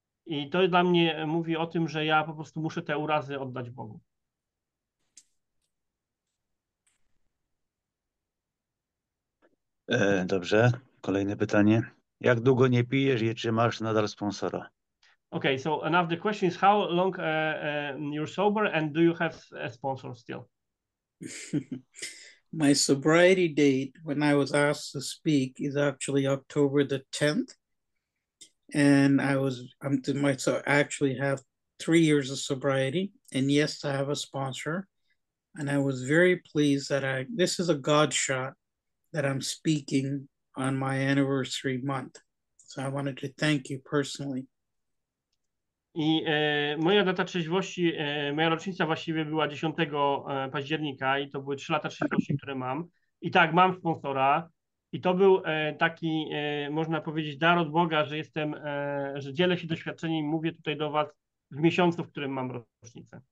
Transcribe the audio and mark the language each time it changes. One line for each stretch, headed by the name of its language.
Polish: I to dla mnie mówi o tym, że ja po prostu muszę te urazy oddać Bogu. Dobrze, kolejne pytanie. Jak długo nie pijesz i czy masz nadal sponsora?
English: Okay, so now the question is how long you're sober and do you have a sponsor still? My sobriety date when I was asked to speak is actually October the 10th. And I actually have 3 years of sobriety. And yes, I have a sponsor. And I was very pleased that this is a God shot that I'm speaking on my anniversary month. So I wanted to thank you personally.
Polish: I moja data trzeźwości, moja rocznica właściwie była 10 października i to były 3 lata trzeźwości, które mam. I tak, mam sponsora i to był taki, można powiedzieć, dar od Boga, że jestem, że dzielę się doświadczeniem i mówię tutaj do was w miesiącu, w którym mam rocznicę.